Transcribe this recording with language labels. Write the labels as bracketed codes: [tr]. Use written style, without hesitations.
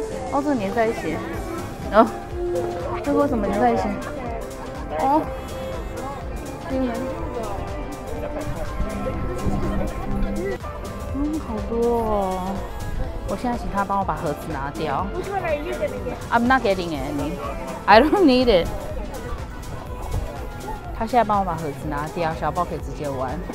[zh] 哦，这个粘在一起。哦，这个怎么粘在一起？哦，英文。好多哦！我现在请他帮我把盒子拿掉。 [en] I'm not getting any. I don't need it. [zh] 他现在帮我把盒子拿掉，小豹可以直接玩。